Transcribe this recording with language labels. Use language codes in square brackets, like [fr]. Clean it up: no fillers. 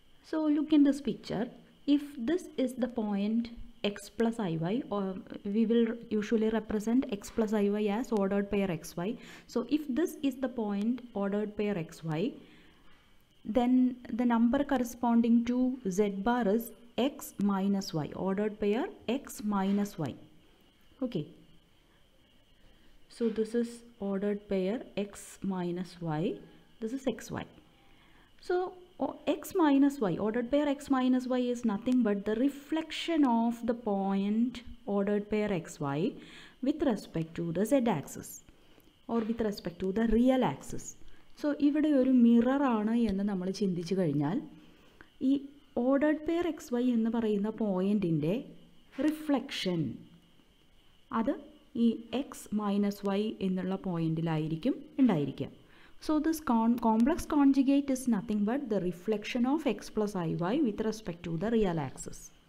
[en] So look in this picture. If this is the point x plus i y, we will usually represent x plus i y as ordered pair x y. So if this is the point ordered pair x y, then the number corresponding to z bar is x minus y, ordered pair x minus y. Okay, so this is ordered pair x minus y, this is xy. So x minus y, ordered pair x minus y is nothing but the reflection of the point ordered pair xy with respect to the z axis or with respect to the real axis. [ml] So ഇവിടെ ഒരു mirror ആണ് എന്ന് നമ്മൾ ചിന്തിച്ചു കഴിഞ്ഞാൽ, ഈ ordered pair X Y എന്ന് പറയുന്ന പോയിൻ്റിൻ്റെ റിഫ്ലക്ഷൻ അത് ഈ എക്സ് മൈനസ് വൈ എന്നുള്ള പോയിൻ്റിലായിരിക്കും ഉണ്ടായിരിക്കുക. [en] So this complex conjugate is nothing but the reflection of x plus i y with respect to the real axis.